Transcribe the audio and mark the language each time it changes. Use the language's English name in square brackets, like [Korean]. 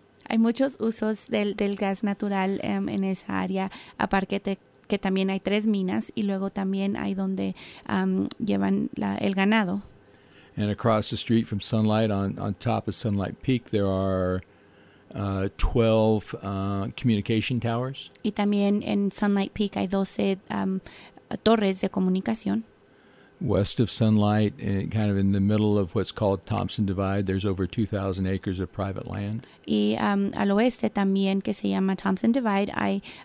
[Spanish] Hay muchos usos del gas natural en esa área, aparte de que también hay 3 minas y luego también hay donde llevan el ganado. [English] And across the street from Sunlight, on top of Sunlight Peak, there are 12 communication towers. [Spanish] Y también en Sunlight Peak hay 12 torres de comunicación. [English] West of Sunlight, kind of in the middle of what's called Thompson Divide, there's over 2,000 acres of private land. [Spanish] Y al oeste también, que se llama Thompson Divide, hay